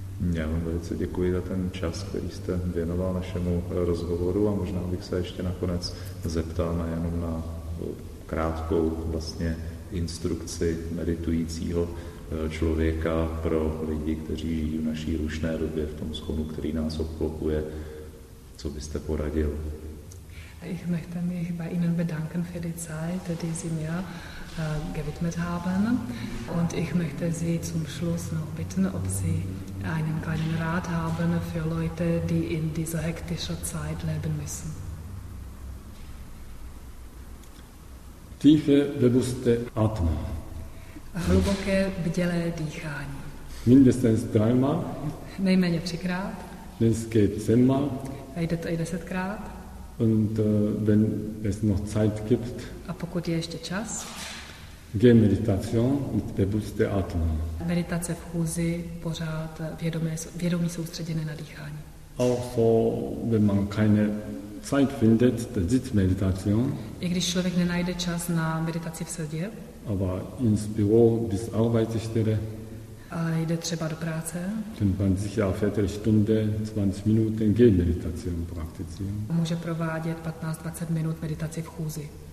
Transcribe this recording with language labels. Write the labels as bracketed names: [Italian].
[Czech] Já vám velice děkuji za ten čas, který jste věnoval našemu rozhovoru a možná bych se ještě nakonec zeptal na jenom na krátkou vlastně instrukci meditujícího člověka pro lidi, kteří žijí v naší rušné době, v tom schonu, který nás obklopuje. Co byste poradil? [German] Ich möchte mich bei Ihnen bedanken für die Zeit, die Sie mir gewidmet haben. Und ich möchte Sie zum Schluss noch bitten, ob Sie einen kleinen Rat haben für Leute, die in dieser hektischen Zeit leben müssen. Tiefe, bewusste Atmen. [Czech] Hluboké, bdělé dýchání. [German] Mindestens dreimal. [Czech] Nejméně třikrát. [German] Mindestens zehnmal. [Czech] A jde to i desetkrát. [German] Und wenn es noch Zeit gibt, [Czech] a pokud je ještě čas, [German] geh Meditation mit bewusste Atmen. [Czech] Meditace v chůzi, pořád vědomí soustředěné na dýchání. [German] Auch so, wenn man keine Zeit findet, dann sitzt Meditation. [Czech] I když člověk nenajde čas na meditaci v sedě, [German] aber ins Büro bis Arbeitsstelle, [Czech] a jde třeba do práce, [German] dann kann sich ja Viertelstunde, 20 Minuten Gehmeditation praktizieren. [Czech] Může provádět 15-20 minut meditaci v chůzi.